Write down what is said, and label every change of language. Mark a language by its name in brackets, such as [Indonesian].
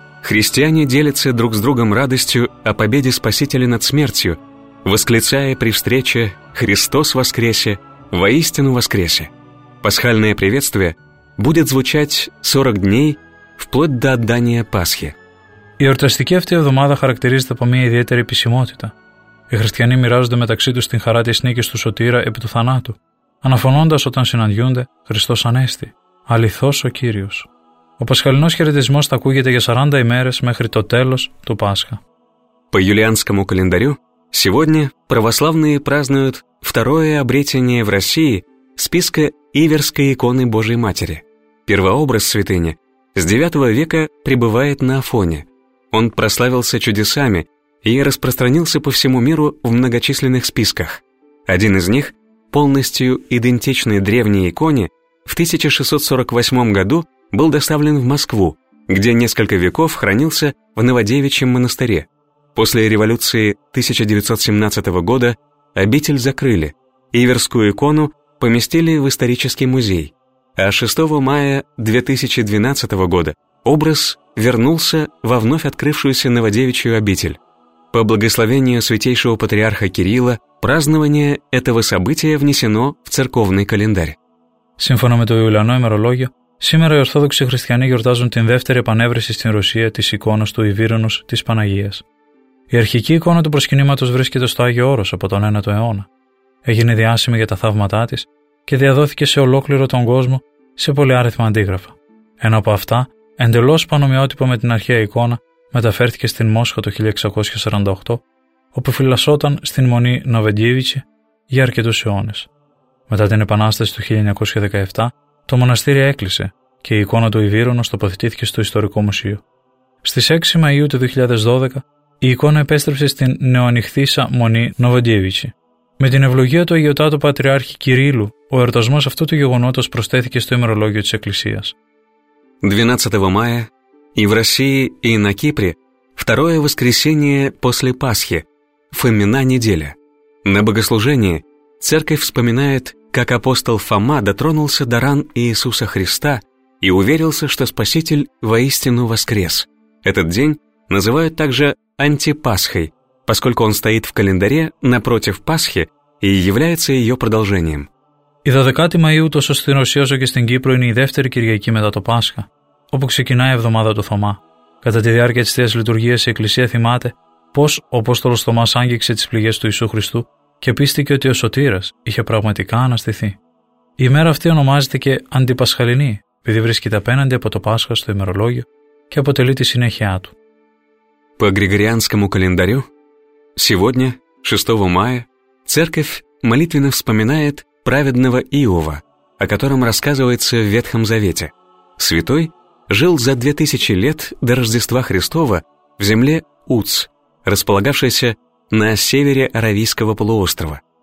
[Russian] Христиане делятся друг с другом радостью о победе Спасителя над смертью, восклицая при встрече «Христос воскресе! Воистину воскресе!». Пасхальное приветствие будет звучать 40 дней вплоть до отдания Пасхи. [Greek] Η εορταστική αυτή εβδομάδα χαρακτηρίζεται από μια ιδιαίτερη επισημότητα. Οι χριστιανοί μοιράζονται μεταξύ τους την χαρά της νίκης του Σωτήρα επί του θανάτου, αναφωνώντας όταν συναντιούνται «Χριστός Ανέστη», «Αληθώς ο Κύριος». Ο πασχαλινός χαιρετισμός θα ακούγεται για 40 ημέρες μέχρι το τέλος του Πάσχα. [Russian] По юлианскому календарю сегодня православные празднуют второе обретение в России списка Иверской иконы Божией Матери. Первообраз святыни с 9 века пребывает на Афоне. Он прославился чудесами и распространился по всему миру в многочисленных списках. Один из них, полностью идентичный древней иконе, в 1648 году был доставлен в Москву, где несколько веков хранился в Новодевичьем монастыре. После революции 1917 года обитель закрыли, Иверскую икону поместили в исторический музей. А 6 мая 2012 года образ вернулся во вновь открывшуюся Новодевичью обитель. По благословению святейшего патриарха Кирилла празднование этого события внесено в церковный календарь. [Greek] Σύμφωνα με το Ιουλιανό ημερολόγιο, σήμερα οι Ορθόδοξοι Χριστιανοί γιορτάζουν την δεύτερη επανέβρεση στην Ρωσία της εικόνας του Ιβύρινους της Παναγίας. Η αρχική εικόνα του προσκυνήματος βρίσκεται στο Άγιο Όρος από τον 9ο αιώνα. Έγινε διάσημη για τα θαύματά της και διαδόθηκε σε ολόκληρο τον κόσμο σε πολυάριθμα αντίγραφα. Ένα από αυτά, εντελώς πανομοιότυπο με την αρχαία εικόνα, μεταφέρθηκε στην Μόσχα το 1648, όπου φυλασσόταν στην μονή Νοβεντίβιτσι για αρκετούς αιώνες. Μετά την Επανάσταση του 1917, το μοναστήρι έκλεισε και η εικόνα του Ιβύρινος τοποθετήθηκε στο Ιστορικό Μουσείο. Στις 6 Μαΐου του 2012, η εικόνα επέστρεψε στην νεοανοιχθήσα μονή Νοβοντίβιτσι. Με την ευλογία του Αγιωτάτου Πατριάρχη Κυρίλου, ο εορτασμός αυτού του γεγονότος προσθέθηκε στο ημερολόγιο της Εκκλησίας. 12 Μαΐου, [Russian] и в России, и на Кипре, второе воскресенье после Пасхи, Фомина неделя. На богослужении Церковь вспоминает, как апостол Фома дотронулся до ран Иисуса Христа и уверился, что Спаситель воистину воскрес. Этот день называют также Антипасхой, поскольку он стоит в календаре напротив Пасхи и является ее продолжением. [Greek] Η 12η Μαΐου, τόσο στην Ρωσία όσο και στην Κύπρο, είναι η δεύτερη Κυριακή μετά το Πάσχα, όπου ξεκινάει η εβδομάδα του Θωμά. Κατά τη διάρκεια της Θείας Λειτουργίας, η Εκκλησία θυμάται πώς ο Απόστολος Θωμάς άγγιξε τις πληγές του Ιησού Χριστού και πίστηκε ότι ο Σωτήρας είχε πραγματικά αναστηθεί. Η ημέρα αυτή ονομάζεται και Αντιπασχαλινή, επειδή βρίσκεται απέναντι από το Πάσχα στο ημερολόγιο και αποτελεί τη συνέχειά του. [Russian] По Григорианскому календарю, сегодня, 6 мая, церковь молитвенно вспоминает праведного Иова, о котором рассказывается в Ветхом Завете. Святой жил за 2000 лет до Рождества Христова в земле Уц, располагавшейся на севере Аравийского полуострова.